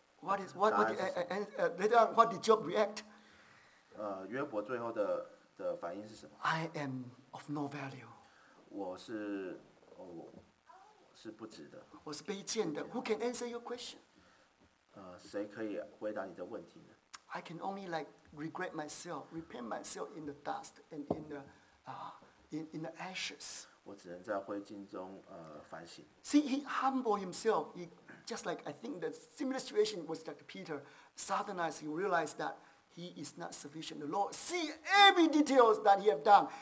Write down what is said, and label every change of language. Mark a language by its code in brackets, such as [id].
[en] what is what later on, what did Job react? [zh] 约伯最后的, 的反应是什么? [en] I am of no value. [zh] 我是, 哦, 是不值得, 我是卑贱的, [en] who can answer your question? [zh] 谁可以回答你的问题呢? [en] I can only like regret myself, repent myself in the dust and in the ashes. [zh] 我只能在灰烬中, [en] See, he humbled himself. He just like I think the similar situation was like Peter. Suddenly, he realized that he is not sufficient. The Lord see every details that he have done.